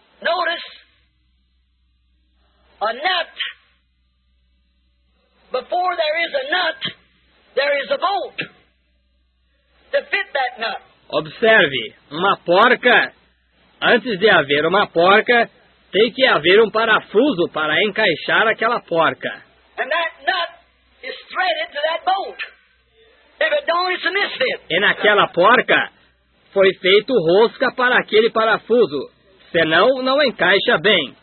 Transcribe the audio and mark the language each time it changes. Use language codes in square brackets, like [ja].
[en] Notice, a nut, before there is a nut, there is a bolt to fit that nut. [pt] Observe, uma porca, antes de haver uma porca, tem que haver um parafuso para encaixar aquela porca. [en] And that nut is threaded to that bolt. If it don't, it's a misfit. [pt] E naquela porca, foi feito rosca para aquele parafuso, senão não encaixa bem.